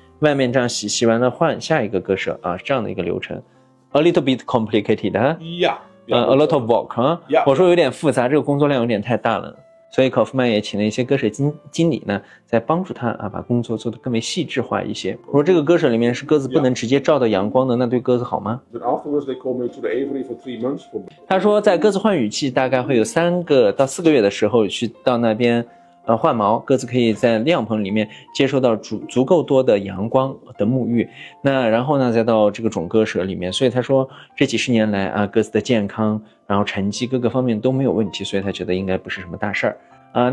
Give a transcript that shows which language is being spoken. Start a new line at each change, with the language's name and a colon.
Chinese: 外面这样洗完了换下一个鸽舍啊，这样的一个流程 ，
English: a little bit complicated
Chinese: 啊
English: ，yeah，a lot of work 啊、 yeah. ，
Chinese: 我说有点复杂，这个工作量有点太大了，所以考夫曼也请了一些鸽舍经理呢，在帮助他啊，把工作做得更为细致化一些。我说这个鸽舍里面是鸽子不能直接照到阳光的， yeah. 那对鸽子好吗？
English: But afterwards they call me to the aviary for 3 months for me.
Chinese: 他说在鸽子换羽器大概会有3-4个月的时候去到那边。换毛，鸽子可以在亮棚里面接受到足够多的阳光的沐浴，那然后呢再到这个种鸽舍里面，所以他说这几十年来啊，鸽子的健康然后成绩各个方面都没有问题，所以他觉得应该不是什么大事儿啊。